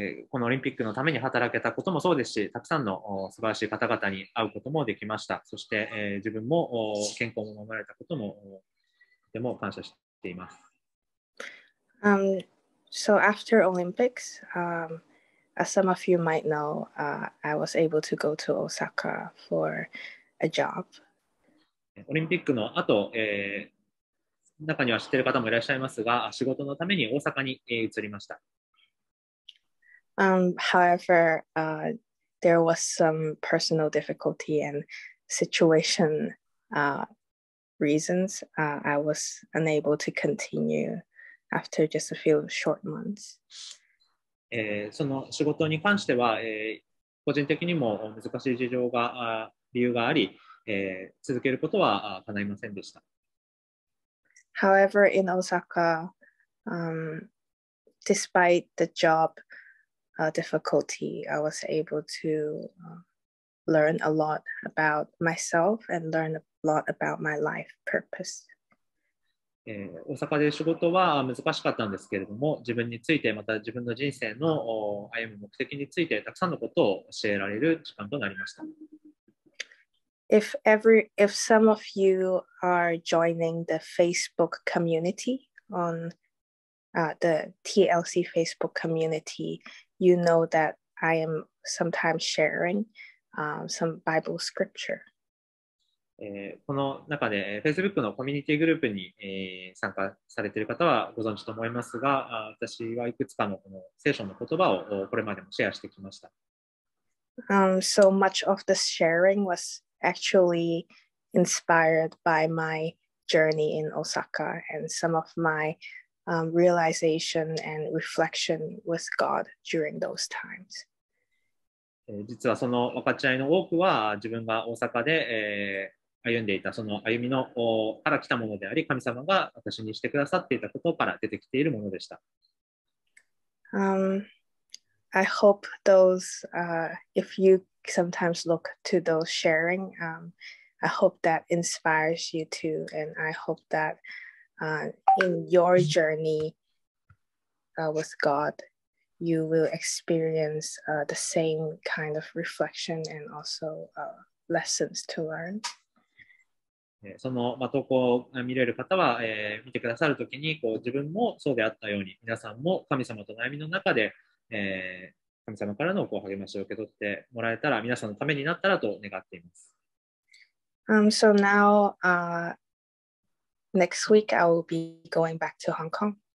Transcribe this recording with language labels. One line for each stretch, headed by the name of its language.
Japanese: このオリンピックのために働けたこともそうですし、たくさんの素晴らしい方々に会うこともできました。そして、自分も健康を守られたこともとても感謝しています。
English: So after Olympics, as some of you might know, I was able to go to Osaka for a job.
Japanese: オリンピックの後、中には知っている方もいらっしゃいますが、仕事のために大阪に、移りました。
English: However, there was some personal difficulty and situation reasons. I was unable to continue. After just a few short months.
Japanese: その仕事に関しては、個人的にも難しい事情が理由があり、続けることは叶いませんでした。
English: However, in Osaka, despite the job difficulty, I was able to learn a lot about myself and learn a lot about my life purpose.
Japanese: 大阪で仕事は難しかったんですけれども、自分についてまた自分の人生の歩む目的についてたくさんのことを教えられる時間となりました。
English: If some of you are joining the Facebook community on the TLC Facebook community, you know that I am sometimes sharing some Bible scripture.
Japanese: この中で Facebook のコミュニティグループに参加されている方はご存知と思いますが、私はいくつか の, この聖書の言葉をこれまでもシェアしてきました。
English: So much of the sharing was actually inspired by my journey in Osaka and some of my realization and reflection with God during those times.
Japanese: 実はその分かち合いの多くは自分が大阪で、歩んでいたその歩みのから来たものであり、神様が私にしてくださっていたことから出てきているものでした。
English: I hope those, if you sometimes look to those sharing, I hope that inspires you too, and I hope that in your journey with God, you will experience the same kind of reflection and also lessons to learn.
Japanese: その投稿を見れる方は、見てくださるときにこう自分もそうであったように皆さんも神様との悩みの中で、神様からのこう励ましを受け取ってもらえたら、皆さんのためになったらと願っています。
English: So now, next week I will be going back to Hong Kong.